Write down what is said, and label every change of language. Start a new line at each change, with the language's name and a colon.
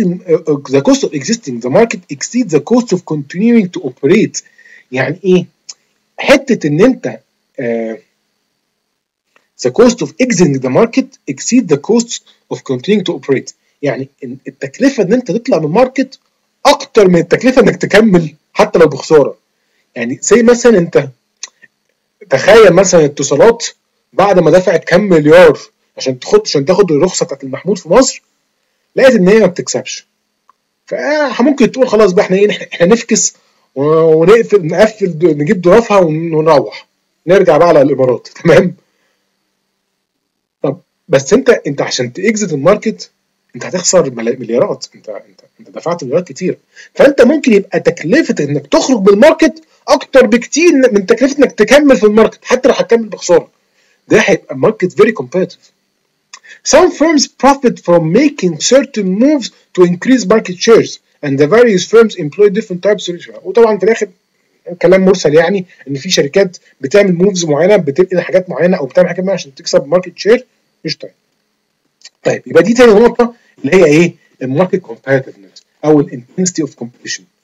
English: The cost of existing the market exceeds the cost of continuing to operate.
Arabic: يعني ايه حته ان انت
English: the cost of exiting the market exceeds the cost of continuing to operate.
Arabic: يعني التكلفه ان انت تطلع من الماركت اكتر من التكلفه انك تكمل حتى لو بخساره. يعني زي مثلا انت تخيل مثلا اتصالات بعد ما دفعت كم مليار عشان تاخد الرخصه بتاعت المحمول في مصر لقيت ان هي ما بتكسبش فممكن تقول خلاص بقى احنا ايه احنا نفكس ونقفل نقفل نجيب ضرافها ونروح نرجع بقى على الامارات تمام. طب بس انت عشان تاكزيت الماركت انت هتخسر مليارات انت دفعت مليارات كتير. فانت ممكن يبقى تكلفه انك تخرج من الماركت اكتر بكتير من تكلفه انك تكمل في الماركت حتى لو هتكمل بخساره. ده هيبقى ماركت فيري كومبيتيتيف.
English: Some firms profit from making certain moves to increase market shares and the various firms employ different types of research.
Arabic: وطبعا في الاخر كلام مرسل يعني ان في شركات بتعمل moves معينة بتنقل حاجات معينة او بتعمل حاجات معينة عشان تكسب market share مش طيب. طيب يبقى دي تاني نقطة اللي هي ايه market competitiveness او intensity of competition.